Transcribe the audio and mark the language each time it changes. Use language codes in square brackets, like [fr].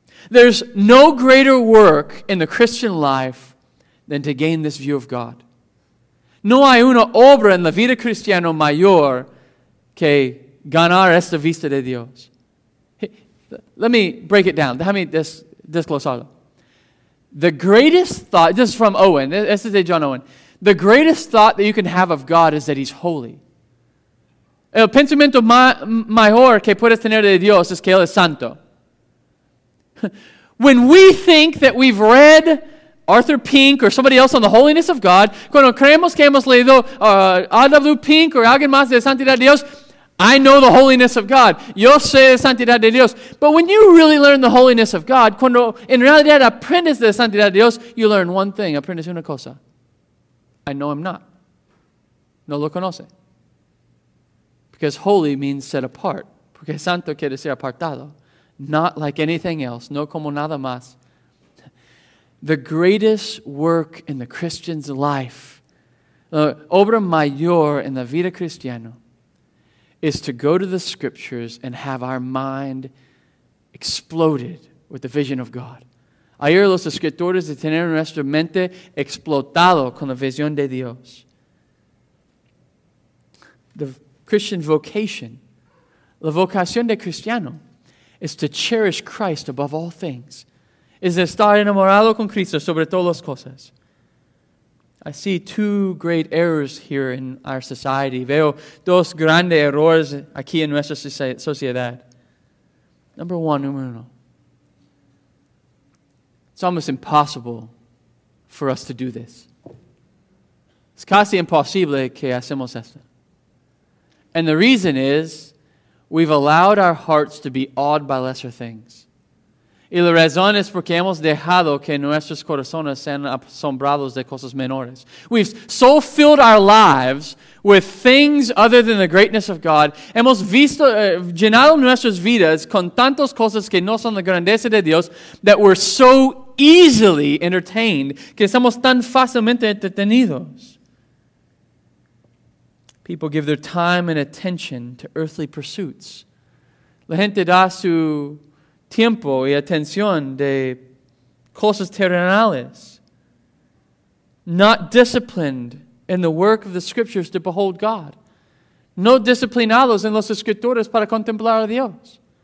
[en] There's no greater work in the Christian life than to gain this view of God. [es] No hay una obra en la vida cristiana mayor que ganar esta vista de Dios. [en] Let me break it down. [es] Déjame desglosarlo. [en] The greatest thought, this is from Owen. This is de John Owen. The greatest thought that you can have of God is that He's holy. [es] El pensamiento mejor que puedes tener de Dios es que Él es santo. [en] When we think that we've read Arthur Pink or somebody else on the holiness of God, [es] cuando creemos que hemos leído R.W. Pink or alguien más de santidad de Dios, [en] I know the holiness of God. [es] Yo sé la santidad de Dios. [en] But when you really learn the holiness of God, [es] cuando en realidad aprendes de la santidad de Dios, [en] you learn one thing, [es] aprendes una cosa. [en] I know I'm not. [es] No lo conoce. [en] Because holy means set apart. [es] Porque santo quiere decir apartado. [en] Not like anything else. [es] No como nada más. [en] The greatest work in the Christian's life, [es] la obra mayor en la vida cristiana, [en] is to go to the Scriptures and have our mind exploded with the vision of God. [es] Ayer los escritores de tener nuestra mente explotado con la visión de Dios. [en] The Christian vocation, [es] la vocación de cristiano, [en] is to cherish Christ above all things, [es] es estar enamorado con Cristo sobre todas las cosas. [en] I see two great errors here in our society. [es] Veo dos grandes errores aquí en nuestra sociedad. [en] Number one, [es] número uno. [en] It's almost impossible for us to do this. [es] Es casi imposible que hacemos esto. [en] And the reason is, we've allowed our hearts to be awed by lesser things. [es] Y la razón es porque hemos dejado que nuestros corazones sean asombrados de cosas menores. [en] We've so filled our lives with things other than the greatness of God. [es] Hemos visto, llenado nuestras vidas con tantas cosas que no son la grandeza de Dios [en] that we're so easily entertained, [es] que estamos tan fácilmente entretenidos. [en] People give their time and attention to earthly pursuits. [es] La gente da su tiempo y atención de cosas terrenales. [en] Not disciplined in the work of the Scriptures to behold God. [es] No disciplinados en los escrituras para contemplar a Dios.